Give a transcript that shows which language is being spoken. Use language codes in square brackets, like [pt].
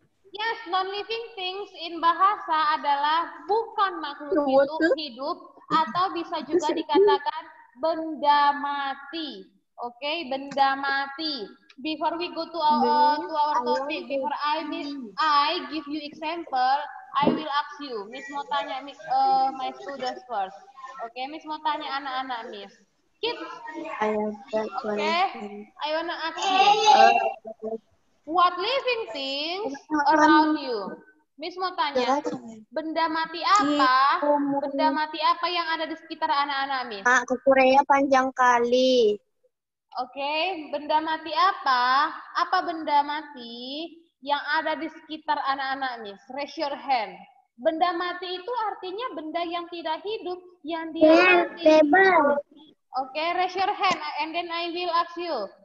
[en] Yes, non-living things [id] in bahasa adalah bukan makhluk hidup atau bisa juga dikatakan benda mati. Oke, okay, benda mati. [en] before we go to our topic, before I give you example, I will ask you. [id] Miss mau tanya [en] my students first. [id] Okay, Miss mau tanya anak-anak Miss. Keep. Okay. [en] I wanna ask you. What living things around you? [id] Miss mau tanya. Benda mati apa yang ada di sekitar anak-anak Miss? Ah, kukuraya panjang kali. Okay, benda mati apa? Apa benda mati yang ada di sekitar anak-anak Miss? [en] Raise your hand. [id] Benda mati itu artinya benda yang tidak hidup, yang dia mati. [en] Table. Okay, raise your hand and then I will ask you.